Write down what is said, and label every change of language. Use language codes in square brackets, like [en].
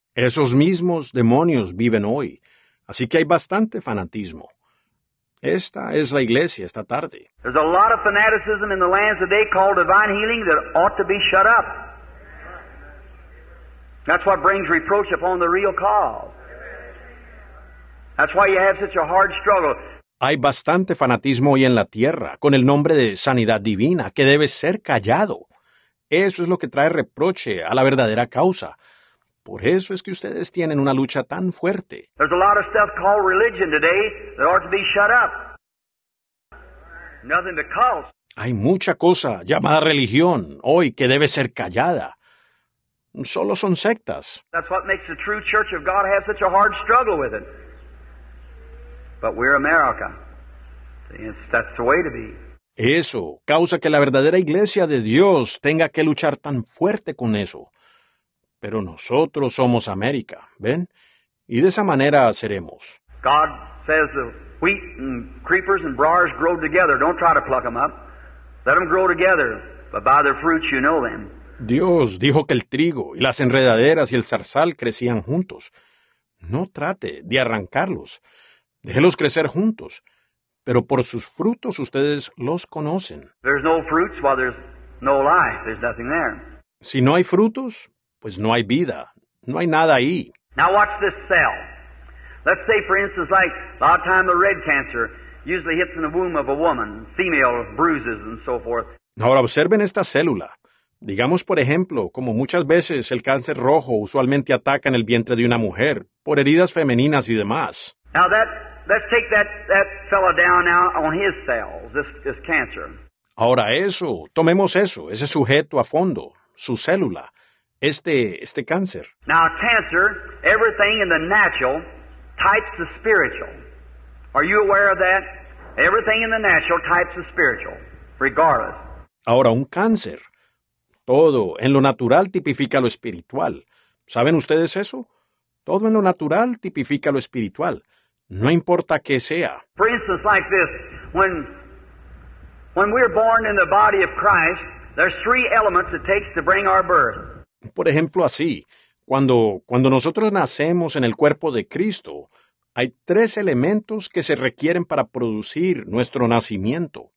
[es] Esos mismos demonios viven hoy. Así que hay bastante fanatismo. Esta es la iglesia esta tarde. [en] There's a lot of fanaticism in the lands today called divine healing that ought to be shut up. That's what brings reproach upon the real cause. That's why you have such a hard struggle. [es] Hay bastante fanatismo hoy en la tierra con el nombre de sanidad divina que debe ser callado. Eso es lo que trae reproche a la verdadera causa. Por eso es que ustedes tienen una lucha tan fuerte. [en] There's a lot of stuff called religion today that ought to be shut up. Nothing to call. [es] Hay mucha cosa llamada religión hoy que debe ser callada. Solo son sectas. [en] That's what makes the true church of God have such a hard struggle with it. But we're America. That's the way to be. [es] Eso causa que la verdadera iglesia de Dios tenga que luchar tan fuerte con eso. Pero nosotros somos América, ¿ven? Y de esa manera seremos. [en] God says the wheat and creepers and briars grow together. Don't try to pluck them up. Let them grow together, but by their fruits you know them. [es] Dios dijo que el trigo y las enredaderas y el zarzal crecían juntos. No trate de arrancarlos. Déjelos crecer juntos. Pero por sus frutos ustedes los conocen. [en] There's no fruits while there's no life. There's nothing there. [es] Si no hay frutos, pues no hay vida. No hay nada ahí. [en] Now watch this cell. Let's say, for instance, like a lot of time the red cancer usually hits in the womb of a woman, female bruises and so forth. [es] Ahora observen esta célula. Digamos, por ejemplo, como muchas veces el cáncer rojo usualmente ataca en el vientre de una mujer por heridas femeninas y demás. [en] Now let's take that fellow down now on his cells, this cancer. [es] Ahora eso, tomemos eso, ese sujeto a fondo, su célula. Este cáncer. [en] Now, cancer, everything in the natural types the spiritual. Are you aware of that? Everything in the natural types the spiritual, regardless. [es] Ahora, un cáncer. Todo en lo natural tipifica lo espiritual. ¿Saben ustedes eso? Todo en lo natural tipifica lo espiritual. No importa qué sea. [en] For instance, like this, when we're born in the body of Christ, there's three elements it takes to bring our birth. [es] Por ejemplo, así, cuando nosotros nacemos en el cuerpo de Cristo, hay tres elementos que se requieren para producir nuestro nacimiento.